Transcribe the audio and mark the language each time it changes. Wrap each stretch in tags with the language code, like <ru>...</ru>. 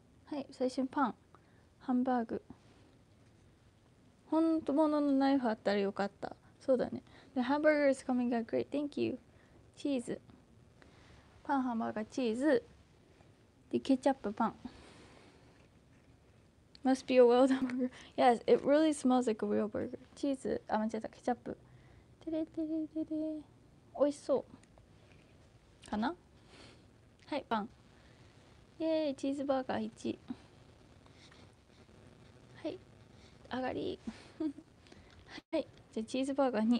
<ja>はい、最初にパン、ハンバーグ、本当もののナイフあったらよかった、そうだね。</ja> <en>で、ハンバーガー is coming out great, thank you.</en> <ja>チーズ、パン、ハンバーガー、チーズ、ケチャップ、パン、</ja> <en>Must be a well done burger. Yes, it really smells like a real burger.</en> <ja>チーズ、あ、間違えた、ケチャップ。テレテレテレ。おいしそう。かな？はい、パン。イェーイ、チーズバーガー1。はい、上がり。はい、じゃあチーズバーガー2。</ja>